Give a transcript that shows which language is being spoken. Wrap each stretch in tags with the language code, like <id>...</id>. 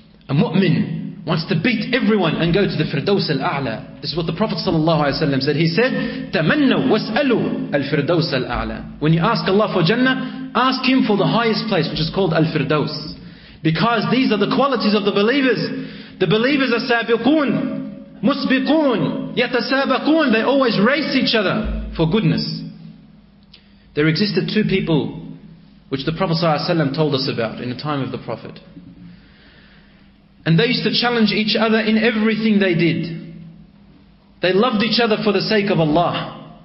<en>A mu'min wants to beat everyone and go to the Firdaus al-A'la. This is what the Prophet ﷺ said. He said,</en> <ar>تَمَنَّوا وَاسْأَلُوا الْفِرْدَوْسَ الْأَعْلَى.</ar> <en>When you ask Allah for Jannah, ask Him for the highest place, which is called Al-Firdaus. Because these are the qualities of the believers. The believers are</en> <ar>سابقون, مسبقون, يتسابقون.</ar> <en>They always race each other for goodness. There existed two people which the Prophet ﷺ told us about in the time of the Prophet. And they used to challenge each other in everything they did. They loved each other for the sake of Allah.</en>